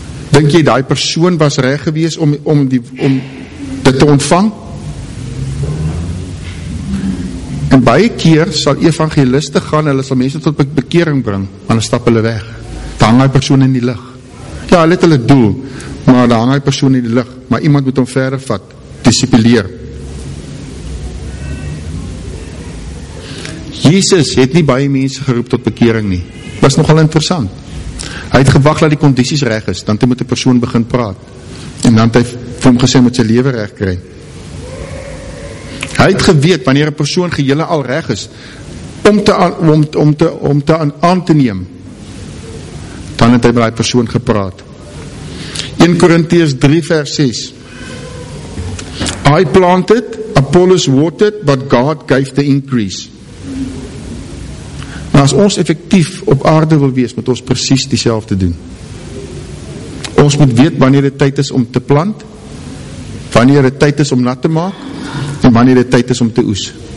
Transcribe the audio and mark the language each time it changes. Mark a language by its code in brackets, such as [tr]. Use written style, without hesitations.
[af] Denk jy die persoon was reg gewees om dit te ontvang? En baie keer sal evangeliste gaan, hulle sal mense tot bekering bring, maar dan stap hulle weg. Daar hang die persoon in die lig. Ja, hulle het hulle doel, maar daar hang die persoon in die lig. Maar iemand moet hom verder vat, disipuleer. Jesus het nie baie mense geroep tot bekering nie. Was nogal interessant. Hy het gewag dat die kondisies reg is, dan moet die persoon begin praat. En dan het hy vir hom gesê met sy lewe reg kry. Hy het geweet wanneer 'n persoon gehele al reg is om aan te neem. Dan het hy met daai persoon gepraat. 1 Korintiërs 3 vers 6. [en] I planted, Apollos watered, but God gave the increase. [af] As ons effectief op aarde wil wees, moet ons precies dieselfde doen. Ons moet weet wanneer dit tyd is om te plant, wanneer dit tyd is om nat te maak, en wanneer dit tyd is om te oes.